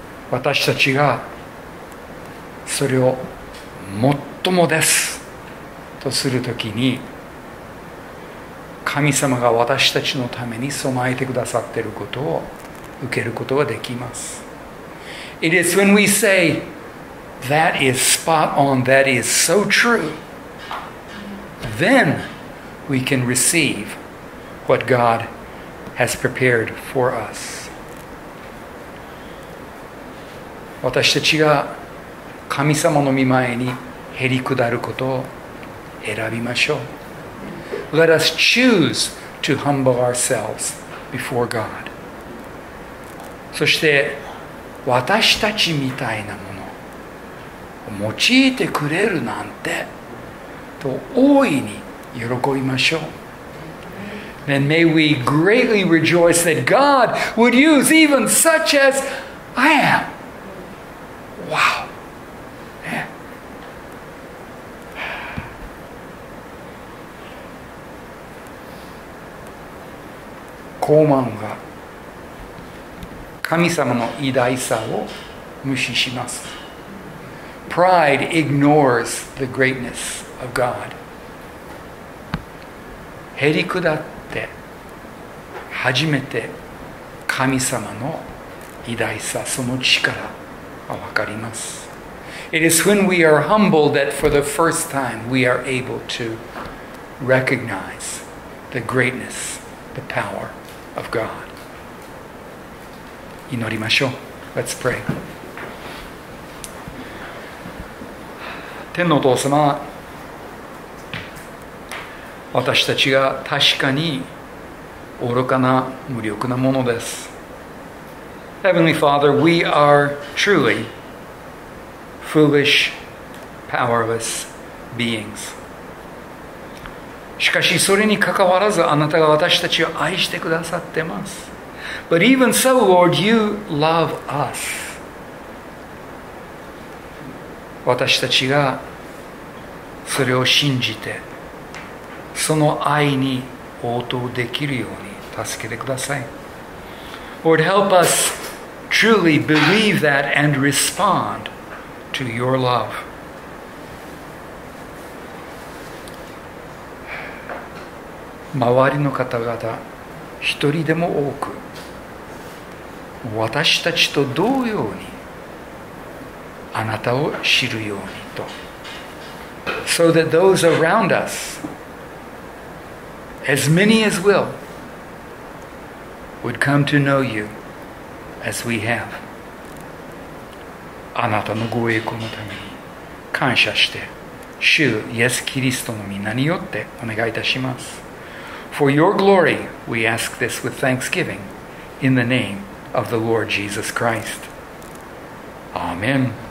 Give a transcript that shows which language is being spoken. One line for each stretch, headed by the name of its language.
Japanese: 私たちがそれを最もですとするときに、神様が私たちのために備えてくださっていることを受けることができます。
English: It is when we say, that is spot on, that is so true, then we can receive what God has prepared for us.
Japanese: 私たちが神様の御前にへり下ることを選びましょう。
English: Let us choose to humble ourselves before God.
Japanese: そして私たちみたいなものを用いてくれるなんてと大いに喜びましょう。
English: Then may we greatly rejoice that God would use even such as I am.
Japanese: Wow.、高慢が神様の偉大さを無視します。
English: Pride ignores the greatness of God.
Japanese: へり下って初めて神様の偉大さ、その力が分かります。
English: It is when we are humble that for the first time we are able to recognize the greatness, the power of God.
Japanese: 祈りましょう。
English: Let's pray.
Japanese: 天のお父様、私たちが確かに愚かな無力なものです。
English: Heavenly Father, we are truly foolish, powerless beings.
Japanese: しかしそれにかかわらず、あなたが私たちを愛してくださってます。
English: But even so, Lord, you love us.
Japanese: 私たちがそれを信じてその愛に応答できるように助けてください。
English: Lord, help us truly believe that and respond to your love.
Japanese: 周りの方々一人でも多く私たちと同様にあなたを知るようにと。
English: So that those around us, as many as will, would come to know you as we have.
Japanese: あなたのご栄光のために感謝して、主イエス・キリストの御名によってお願いいたします。
English: For your glory, we ask this with thanksgiving in the name of the Lord Jesus Christ. Amen.